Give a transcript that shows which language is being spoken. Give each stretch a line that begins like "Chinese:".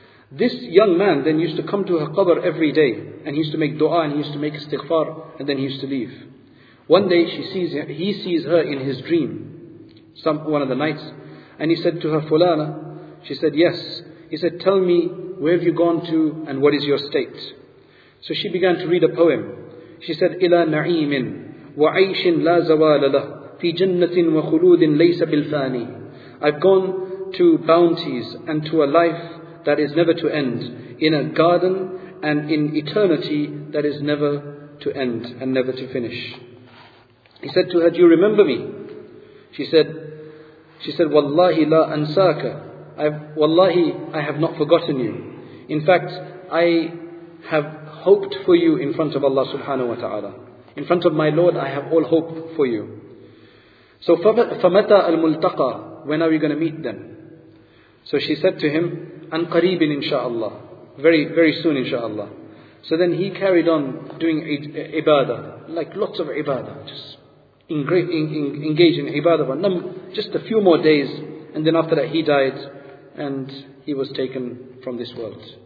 English: This young man then used to come to her qabr every day, and he used to make dua and he used to make istighfar, and then he used to leave. One day he sees her in his dream, one of the nights, and he said to her, Fulana, she said, yes. He said, tell me, where have you gone to and what is your state? So she began to read a poem.
Arabic: She said, إِلَى نَعِيمٍ وَعَيْشٍ لَا زَوَالَ لَهُ فِي جَنَّةٍ وَخُلُودٍ لَيْسَ بِالْفَانِي.
English: I've gone to bounties and to a life that is never to end, in a garden and in eternity that is never to end and never to finish. He said to her, do you remember me? She said,
Arabic: Wallahi la ansaka.
English: I have not forgotten you. In fact, I have hoped for you in front of Allah subhanahu wa ta'ala. In front of my Lord, I have all hope for you.
Arabic: So, فَمَتَى الْمُلْتَقَى?
English: When are we going to meet them? So she said to him,
Arabic: أَنْ قَرِيبٍ
English: inshaAllah. Very, very soon inshaAllah. So then he carried on doing ibadah, like lots of ibadah, just engaged in ibadah for just a few more days, and then after that he died, and he was taken from this world.